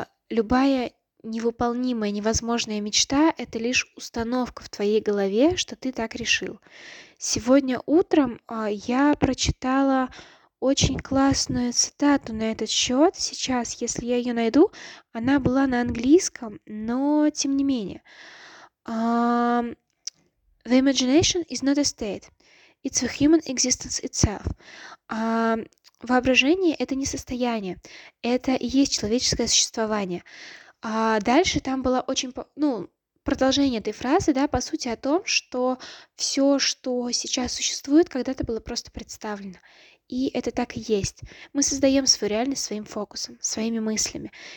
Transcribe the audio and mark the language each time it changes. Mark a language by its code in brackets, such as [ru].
[ru] Любая невыполнимая, невозможная мечта — это лишь установка в твоей голове, что ты так решил. Сегодня утром я прочитала очень классную цитату на этот счет. Сейчас, если я ее найду, она была на английском, но тем не менее. [en] The imagination is not a state. It's a human existence itself. [ru] Воображение — это не состояние. Это и есть человеческое существование. Дальше там было продолжение этой фразы, да, по сути о том, что все, что сейчас существует, когда-то было просто представлено. И это так и есть. Мы создаем свою реальность своим фокусом, своими мыслями.